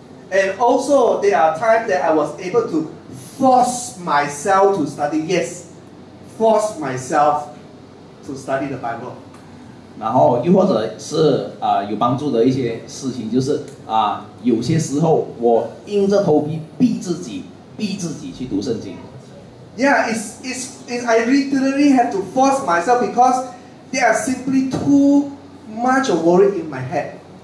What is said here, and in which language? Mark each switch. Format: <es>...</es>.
<en>And also, there are times that I was able to force myself to study. Yes, force myself to study the Bible.</en> <zh>然后又或者是有帮助的一些事情，就是有些时候我硬着头皮逼自己去读圣经。</zh> <en>Yeah, I literally have to force myself because there are simply too much of worry in my head.</en>